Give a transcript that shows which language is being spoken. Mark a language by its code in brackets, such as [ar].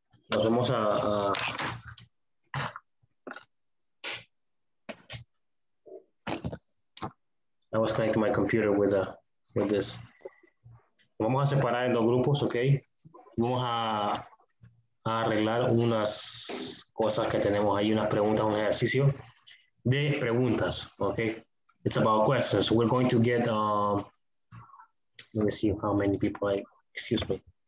[es] Nos vamos a [en] I was connecting my computer with this. [es] Vamos a separar en dos grupos, ok. Vamos a arreglar unas cosas que tenemos ahí, unas preguntas, un ejercicio de preguntas, ok. [en] It's about questions. We're going to get let me see how many people I excuse me.